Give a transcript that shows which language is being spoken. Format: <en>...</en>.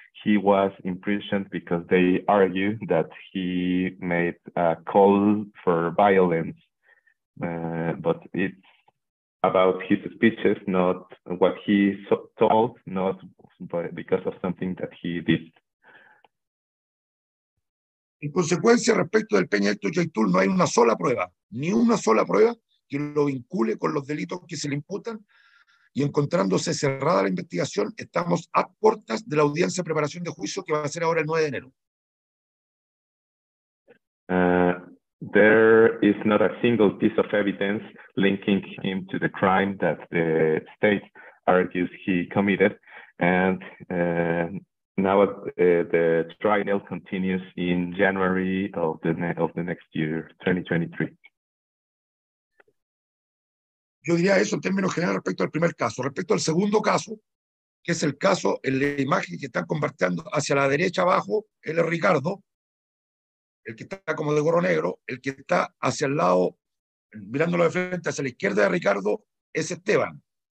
<en>He was imprisoned because they argue that he made a call for violence, but it's about his speeches, not what he told, not because of something that he did.</en> <es>En consecuencia, respecto del Peña Héctor J. Tull, no hay una sola prueba, ni una sola prueba que lo vincule con los delitos que se le imputan. Y encontrándose cerrada la investigación, estamos a puertas de la audiencia de preparación de juicio que va a ser ahora el 9 de enero.</es> <en>There is not a single piece of evidence linking him to the crime that the state argues he committed. And now the trial continues in January of the next year, 2023.</en> <es>Yo diría eso en términos generales respecto al primer caso. Respecto al segundo caso, que es el caso en la imagen que están compartiendo hacia la derecha abajo, él es Ricardo, el que está como de gorro negro, el que está hacia el lado, mirándolo de frente, hacia la izquierda de Ricardo, es Esteban.</es>